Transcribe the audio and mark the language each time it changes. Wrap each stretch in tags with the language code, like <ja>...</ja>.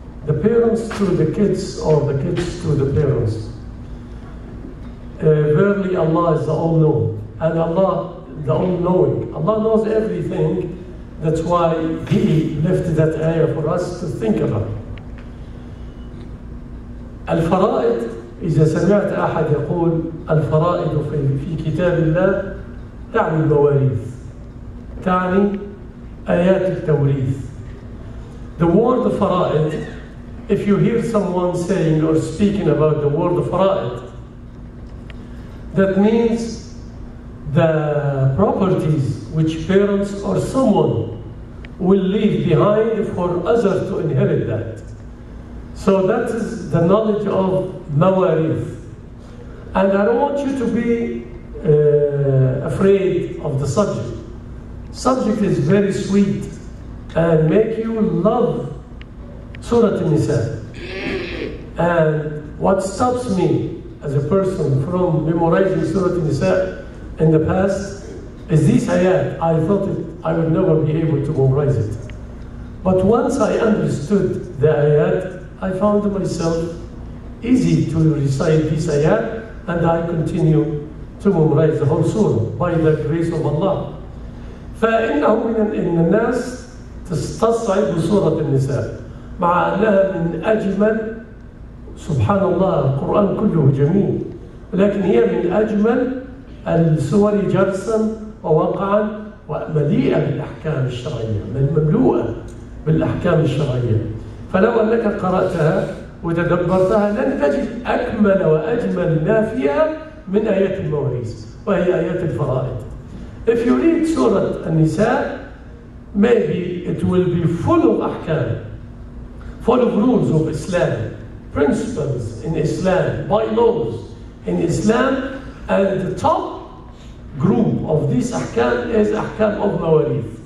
<en>The parents to the kids or the kids to the parents. Verily Allah is the all-known. And Allah, the all-knowing. Allah knows everything. That's why He left that ayah for us to think about.</en> <ar>الفرائض. إذا سمعت أحد يقول الفرائض في كتاب الله تعني المواريث، تعني آيات التوريث.</ar> <en>The word فرائض, if you hear someone saying or speaking about the word فرائض, that means the properties which parents or someone will leave behind for others to inherit that. So that is the knowledge of mawarith. And I don't want you to be afraid of the subject. Subject is very sweet and make you love Surah An-Nisa. And what stops me as a person from memorizing Surah An-Nisa in the past is this ayat. I thought it, I would never be able to memorize it. But once I understood the ayat, I found myself easy to recite this ayat, and I continue to memorize the whole surah by the grace of Allah.</en> <ar>فإنه من الناس تستصعب سورة النساء مع أنها من أجمل، سبحان الله القرآن كله جميل، لكن هي من أجمل السور جرسا ووقعا ومليئة بالأحكام الشرعية، مملوءة بالأحكام الشرعية. فلو أنك قرأتها وتدبرتها لن تجد أكمل وأجمل ما فيها من آيات المواريث، وهي آيات الفرائض.</ar> <en>If you read سورة النساء, maybe it will be full of أحكام, full of rules of Islam, principles in Islam, bylaws in Islam, and the top group of these أحكام is أحكام of مواريث.</en>